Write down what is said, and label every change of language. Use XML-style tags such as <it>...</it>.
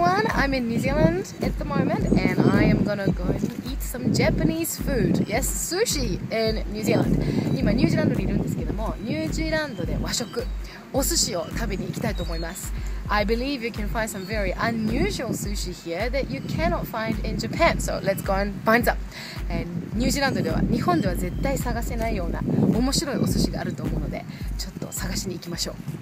<en>I'm in New Zealand at the moment and I am gonna go and eat some Japanese food. Yes, sushi in New Zealand.</en> <ja>今ニュージーランドにいるんですけども、ニュージーランドで和食、お寿司を食べに行きたいと思います。</ja> <en>I believe you can find some very unusual sushi here that you cannot find in Japan. So let's go and find some.</en> <ja>ニュージーランドでは、日本では絶対探せないような面白いお寿司があると思うので、ちょっと探しに行きましょう。</ja>